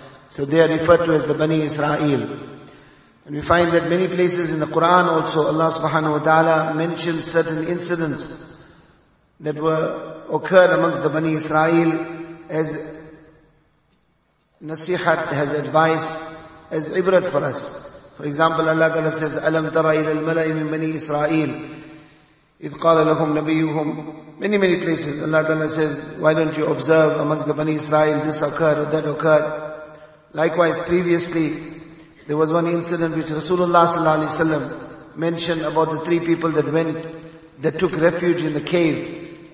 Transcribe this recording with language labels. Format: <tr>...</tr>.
<en>So they are referred to as the Bani Israel. And we find that many places in the Quran also, Allah subhanahu wa ta'ala mentioned certain incidents that were occurred amongst the Bani Israel as nasihat, as advice, as ibrat for us. For example, Allah Ta'ala says,</en> <ar>أَلَمْ تَرَى إِلَى الْمَلَئِ مِنْ بَنِي إِسْرَائِيلِ إِذْ قَالَ لَهُمْ نَبِيُّهُمْ.</ar> <en>Many, many places Allah Ta'ala says, why don't you observe amongst the Bani Israel this occurred or that occurred. Likewise, previously, there was one incident which Rasulullah Sallallahu Alaihi Wasallam mentioned about the three people that went, that took refuge in the cave.</en>